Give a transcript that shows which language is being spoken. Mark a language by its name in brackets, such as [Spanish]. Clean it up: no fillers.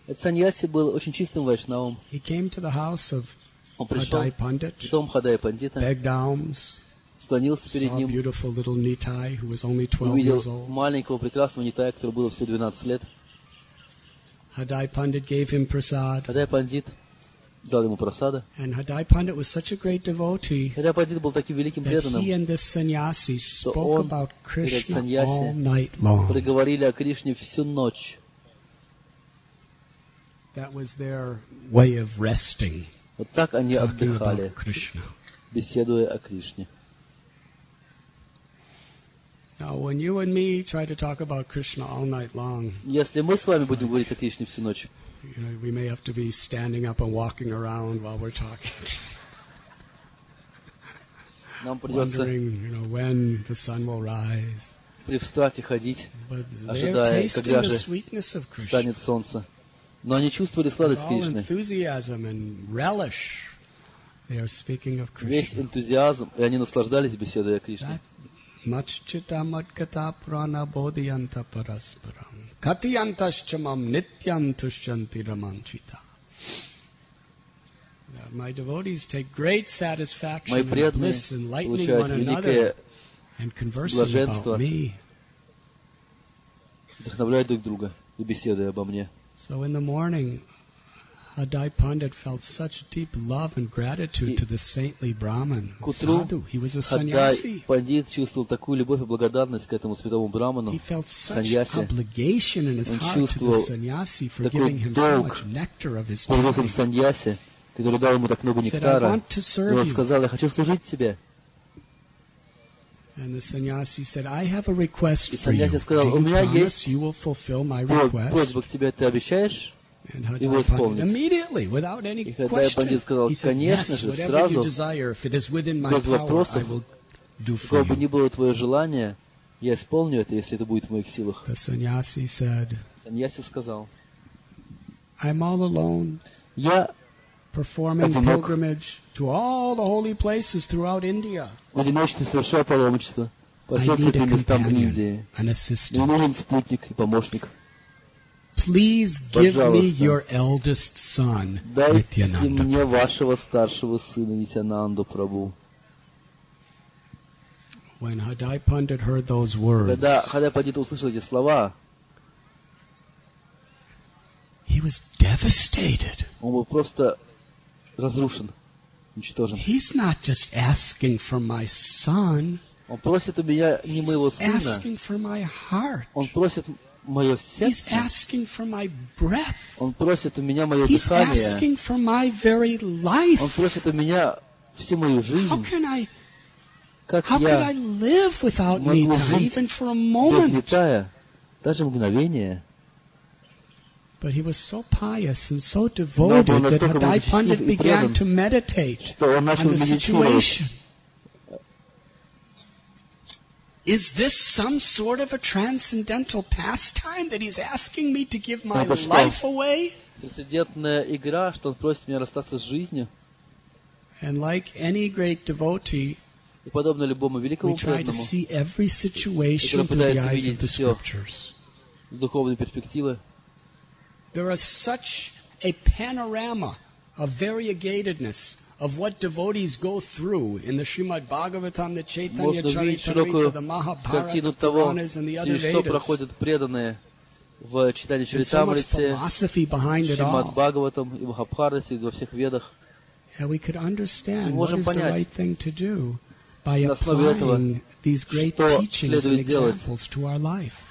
[English] He came to the house of Hadai Pandit, begged alms, [Russian] склонился перед ним, увидел маленького прекрасного Нитая, которому было всего 12 лет. [English] Hadai Pandit gave him prasad. [Russian] Hadai Pandit дал ему прасада. [English] And Hadai Pandit was such a great devotee. [Russian] Hadai Pandit был таким великим преданным. [English] He and the sannyasi spoke about Krishna all night long. [Russian] Проговорили о Кришне всю ночь. [English] That was their way of resting. [Russian] Вот так они отдыхали, беседуя о Кришне. [English] Now, when you and me try to talk about Krishna all night long, [Russian] если мы с вами будем говорить о Кришне всю ночь, [English] you know, we may have to be standing up and walking around while we're talking. [Russian] Нам придется, [English] wondering, you know, when the sun will rise. [Russian] Привстать и ходить, ожидая, когда же станет солнце. Но они чувствовали сладость Кришны. [English] All enthusiasm and relish, they are speaking of Krishna. [Russian] Весь энтузиазм, и они наслаждались беседой о Кришне. [Sanskrit] Machchita matkata prana bodhyanta parasparam katiyantaschamam nityam tushyanti ramanchita. [English] My devotees take great satisfaction in bliss enlightening one another and conversing about me. [Russian] Вдохновляют друг друга и беседуют обо мне. [English] So in the morning, Hadai Pandit felt such deep love and gratitude to the saintly Brahman. Sadhu, he was a sannyasi. [Russian] Hadai Pandit чувствовал такую любовь и благодарность к этому святому брахману. [English] He felt such obligation in his heart to the sannyasi for giving him so much nectar of his body. [Russian] Который дал ему так много нектара. Он сказал: "Я хочу служить тебе". [English] And the sannyasi said, "I have a request for you. Do you promise you will fulfill my request?" [Russian] Просьба к тебе, ты обещаешь? И его исполнить. [English] Immediately, without any question. [Russian] И Хадай Пандит сказал, конечно же, сразу, без вопросов, какое бы ни было твое желание, я исполню это, если это будет в моих силах. Саньяси сказал, [English] I'm all alone. [Russian] Я [English] performing pilgrimage to all the holy places throughout India. [Russian] В одиночестве совершаю паломничество по всем святым местам Индии. Мне нужен спутник и помощник. [English] Please give me your eldest son, Nityananda. [Russian] Дайте мне вашего старшего сына Нитянанду Прабу. [English] When Hadai Pandit heard those words, [Russian] когда Хадай Пандит услышал эти слова, [English] he was devastated. [Russian] Он был просто разрушен, уничтожен. [English] He's not just asking for my son. [Russian] Он просит у меня не моего сына. [English] He's asking for my heart. [Russian] Он просит [English] He's asking for my breath. [Russian] Он просит у меня мое [English] He's [Russian] дыхание. [English] He's asking for my very life. [Russian] Он просит у меня всю мою жизнь. [English] How can I? How could I live without Nitya, even for a moment? [Russian] Без Нитая, даже мгновение. [English] But he was so pious and so devoted that Hadai Pandit began to meditate on the situation. Is this some sort of a transcendental pastime that he's asking me to give my life away? [Russian] Трансцендентная игра, что он просит меня расстаться с жизнью? [English] And like any great devotee, [Russian] и подобно любому великому преданному, который пытается видеть все с духовной перспективы. [English] There is such a panorama of variegatedness of what devotees go through in the Srimad Bhagavatam, the Chaitanya Charitamrita, the Mahabharata, the Puranas, and the other Vedas. [Russian] Проходят преданные в читании Чаритамриты, Шримад Бхагаватам и Махабхарате, во всех Ведах. [English] And we could understand what is the right thing to do by applying these great teachings and examples to our life.